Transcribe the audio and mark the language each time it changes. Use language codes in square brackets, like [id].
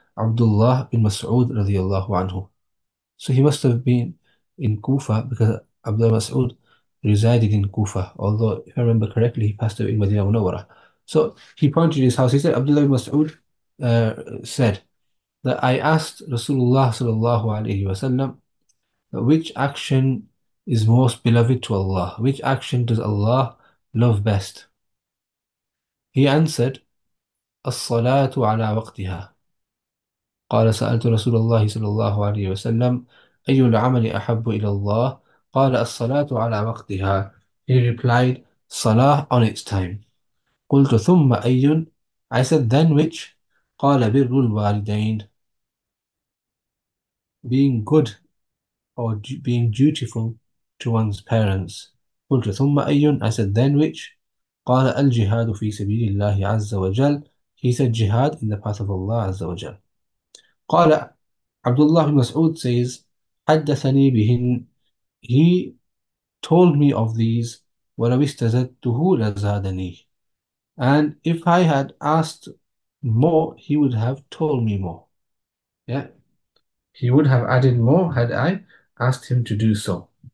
[en] Abdullah bin Mas'ud radiyallahu anhu. So he must have been in Kufa, because Abdullah Mas'ud resided in Kufa, although if I remember correctly, he passed away in Madinah Munawwarah. So he pointed to his house. He said, Abdullah bin Mas'ud said that I asked Rasulullah sallallahu alayhi wa sallam, which action is most beloved to Allah? Which action does Allah love best? He answered, [ar] الصلاة على وقتها. قال سألت رسول الله صلى الله عليه وسلم أي العمل أحب إلى الله؟ قال الصلاة على وقتها. [en] He replied, صلاة on its time. [ar] قلت ثم أي؟ [en] I said, then which؟ [ar] قال بر الوالدين. [en] Being good or being dutiful to one's parents. [ar] قلت ثم أي؟ [en] I said, then which؟ [ar] قال الجهاد في سبيل الله عز وجل. [en] He said, jihad in the path of Allah عز وجل. [ar] قال عبد الله بن مسعود [en] says, [ar] حدثني بهن. [en] He told me of these, [ar] ولو استزدته لزادني. [en] And if I had asked more, he would have told me more. Yeah. He would have added more had I asked him to do so.